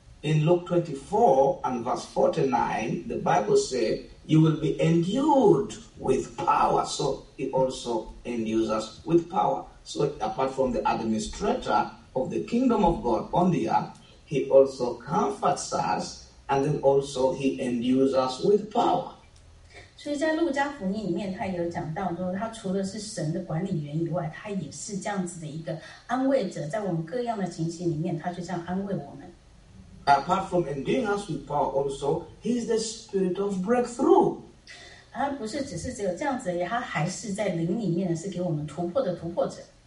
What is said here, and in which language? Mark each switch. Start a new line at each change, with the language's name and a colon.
English: In Luke 24 and verse 49, the Bible said, you will be endued with power. So he also endues us with power. So apart from the administrator of the kingdom of God on the earth, he also comforts us, and then also he endues us with power.
Chinese: 所以在路加福音里面，他有讲到说，他除了是神的管理员以外，他也是这样子的一个安慰者，在我们各样的情形里面，他就这样安慰我们。
English: Apart from ending us with power, also he is the spirit of breakthrough.
Chinese: 他不是只是只有这样子，他还是在灵里面是给我们突破的突破者。